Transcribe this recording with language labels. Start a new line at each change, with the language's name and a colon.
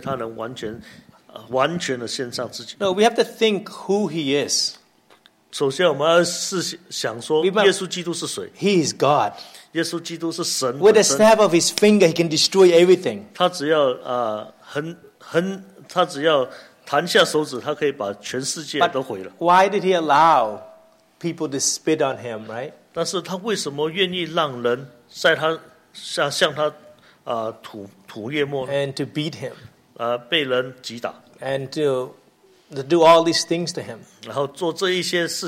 Chinese: 所以在圣经里面呢，很难找到有哪一个先知或者哪一个祭司完全献上自己。但是耶稣基督其实是一个非常好的一个例子，因为他能完全的献上自己。
English: No, we have to think who he is.
Chinese: 首先我们要想说耶稣基督是谁。
English: He is God.
Chinese: 耶稣基督是神。
English: With a snap of his finger, he can destroy everything.
Chinese: 他只要 弹下手指，他可以把全世界都毁了。
English: Why did he allow people to spit on him, right?
Chinese: 但是他为什么愿意让人向他吐唾沫呢？
English: And to beat him.
Chinese: 被人击打。
English: And to do all these things to him.